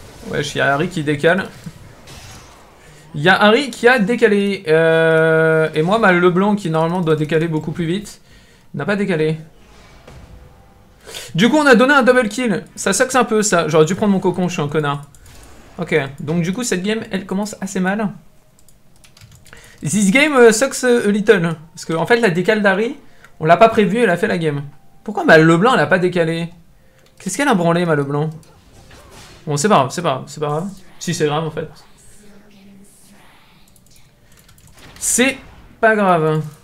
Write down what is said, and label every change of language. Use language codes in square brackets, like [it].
[fr] Wesh, il y a Harry qui décale. Il y a Harry qui a décalé, et moi, ma Leblanc, qui normalement doit décaler beaucoup plus vite, n'a pas décalé. Du coup, on a donné un double kill. Ça sucks un peu, ça. J'aurais dû prendre mon cocon, je suis un connard. Ok, donc du coup, cette game, elle commence assez mal. [en] This game sucks a little. [fr] Parce qu'en fait, la décale d'Harry, on l'a pas prévu, elle a fait la game. Pourquoi ma Leblanc, elle a pas décalé? Qu'est-ce qu'elle a branlé, ma Leblanc? Bon, c'est pas grave. Si, c'est grave, en fait. C'est pas grave.